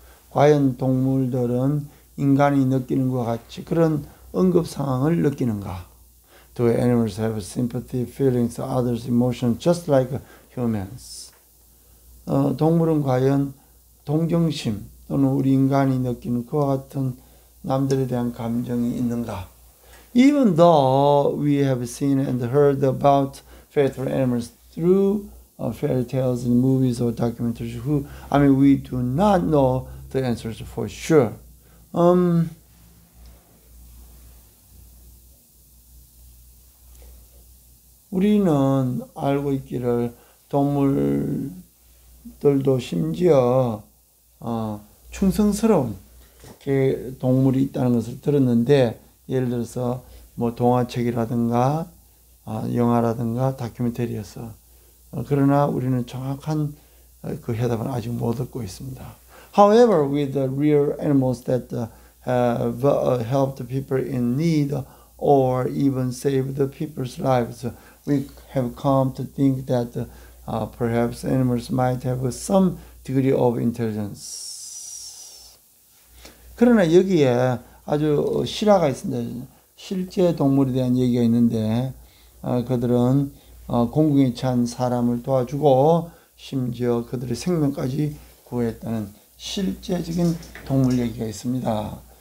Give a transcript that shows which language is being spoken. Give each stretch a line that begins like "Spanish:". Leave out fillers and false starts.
Korean: 과연 동물들은 인간이 느끼는 것 같이 그런 응급 상황을 느끼는가?
English: Do animals have sympathy, feelings, others' emotions just like humans?
Korean: 동물은 과연 동정심 또는 우리 인간이 느끼는 그와 같은 남들에 대한 감정이 있는가?
English: Even though we have seen and heard about faithful animals through fairy tales and movies or documentaries, we do not know the answers for sure.
Korean: Um, 우리는 알고 있기를 동물들도 심지어 충성스러운 동물이 있다는 것을 들었는데, 예를 들어서 뭐 동화책이라든가 영화라든가 다큐멘터리에서. 그러나 우리는 정확한 그 해답은 아직 못 얻고 있습니다.
English: However, with the real animals that have helped people in need or even saved people's lives, we have come to think that perhaps animals might have some degree of intelligence.
Korean: 그러나 여기에 아주 실화가 있습니다. 실제 동물에 대한 얘기가 있는데, 그들은 공공에 찬 사람을 도와주고 심지어 그들의 생명까지 구했다는 실제적인 동물 얘기가 있습니다.